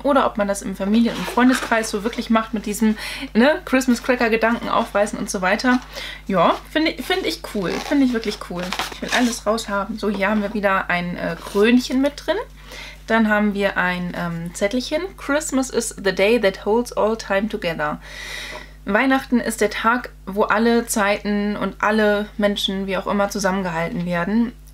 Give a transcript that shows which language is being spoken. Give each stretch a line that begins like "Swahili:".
German: Oder ob man das im Familien- und Freundeskreis so wirklich macht mit diesem, ne, Christmas Cracker-Gedanken aufreißen und so weiter. Ja, finde ich cool. Finde ich wirklich cool. Ich will alles raushaben. So, hier haben wir wieder ein Krönchen mit drin. Dann haben wir ein Zettelchen.
English: Christmas is the day that holds all time together.
German: Weihnachten ist der Tag, wo alle Zeiten und alle Menschen, wie auch immer, zusammengehalten werden.